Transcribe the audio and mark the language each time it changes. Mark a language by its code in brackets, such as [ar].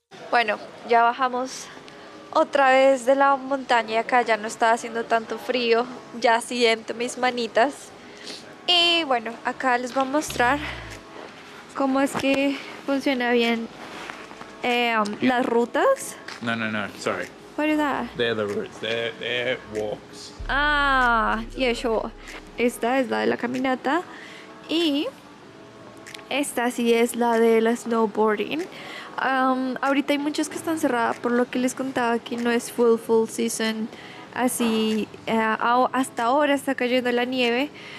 [es] Bueno, ya bajamos otra vez de la montaña y acá ya no está haciendo tanto frío, ya siento mis manitas. Y bueno, acá les voy a mostrar cómo es que funciona bien las rutas. [en] No, sorry. What is that? They're the routes, they're walks. Ah, yeah, sure. [es] Esta es la de la caminata y esta sí es la de la snowboarding. Ahorita hay muchas que están cerradas, por lo que les contaba que no es full season. Así, hasta ahora está cayendo la nieve.